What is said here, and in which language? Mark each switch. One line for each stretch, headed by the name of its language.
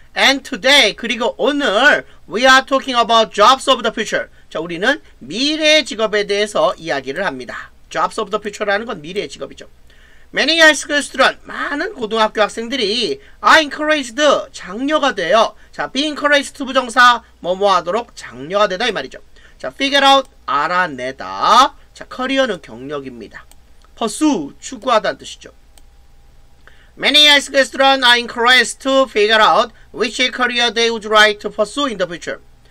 English: And today,
Korean: 그리고 오늘,
English: we are talking about jobs of the future.
Korean: 자, 우리는 미래의 직업에 대해서 이야기를 합니다.
English: Jobs of the future
Korean: 라는 건 미래의 직업이죠.
English: Many high school students,
Korean: 많은 고등학교 학생들이
English: are encouraged,
Korean: 장려가 돼요. 자,
English: be encouraged to
Korean: 부정사, 뭐뭐 하도록 장려가 되다 이 말이죠. 자,
English: figure out,
Korean: 알아내다. 자, 커리어는 경력입니다. 허수, 추구하다는 뜻이죠.
English: Many high school students are encouraged to figure out which career they would like to pursue in the future.